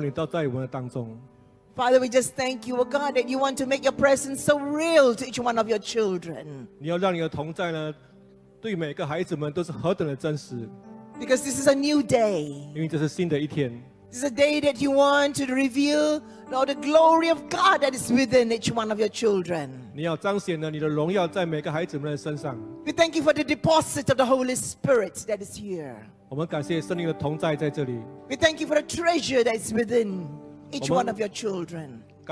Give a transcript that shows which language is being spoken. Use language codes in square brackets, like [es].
[en] Father, we just thank you, O God, that you want to make your presence so real to each one of your children. [zh] 你要让你的同在呢, 对每个孩子们都是何等的真实。 [en] Because this is a new day. This is a day that you want to reveal, Lord, the glory of God that is within each one of your children. We thank you for the deposit of the Holy Spirit that is here. We thank you for the treasure that is within each one of your children.